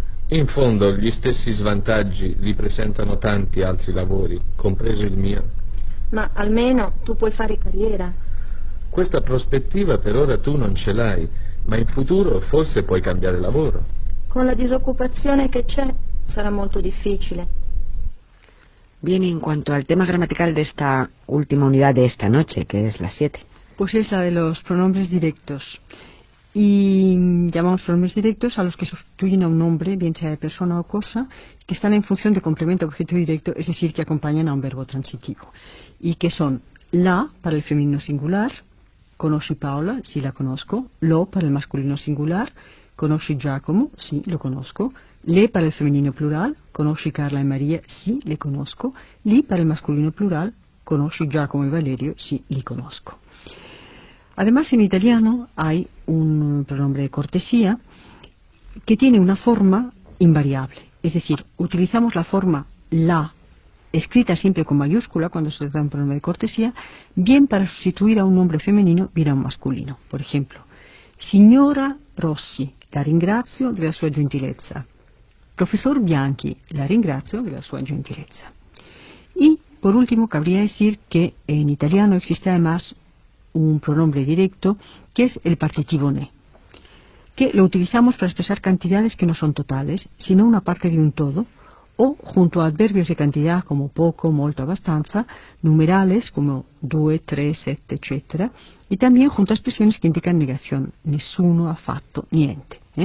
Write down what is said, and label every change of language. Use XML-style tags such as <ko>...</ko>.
<it>In fondo gli stessi svantaggi li presentano tanti altri lavori, compreso il mio. Ma almeno tu puoi fare carriera. Questa prospettiva per ora tu non ce l'hai, ma in futuro forse puoi cambiare lavoro. Con la disoccupazione che c'è sarà molto difficile.</it> <es>Bien, en cuanto al tema gramatical de esta última unidad de esta noche, que es la 7. Pues es la de los pronombres directos. y llamamos pronombres directos a los que sustituyen a un nombre, bien sea de persona o cosa, que están en función de complemento objeto directo, es decir, que acompañan a un verbo transitivo, y que son la para el femenino singular,</es> <it>conosci Paola,</it> <es>si la conozco, lo para el masculino singular,</es> <it>conosci Giacomo,</it> <es>sí, lo conozco, le para el femenino plural,</es> <it>conosci Carla</it> <es>y María, sí, le conozco, li para el masculino plural,</es> <it>conosci Giacomo</it> <es>y Valerio, sí, li conozco. Además, en italiano hay un pronombre de cortesía que tiene una forma invariable, es decir, utilizamos la forma la, escrita siempre con mayúscula cuando se trata de un pronombre de cortesía, bien para sustituir a un nombre femenino, bien a un masculino. Por ejemplo,</es> <it>signora Rossi, la ringrazio della sua gentilezza. Profesor Bianchi, la ringrazio della sua gentilezza.</it> <es>Y, por último, cabría decir que en italiano existe además un pronombre directo, que es el partitivo ne, que lo utilizamos para expresar cantidades que no son totales, sino una parte de un todo, o junto a adverbios de cantidad como poco, molto, abbastanza, numerales como due, tre, sette, etc., y también junto a expresiones que indican negación,</es> <it>nessuno, affatto, niente.</it>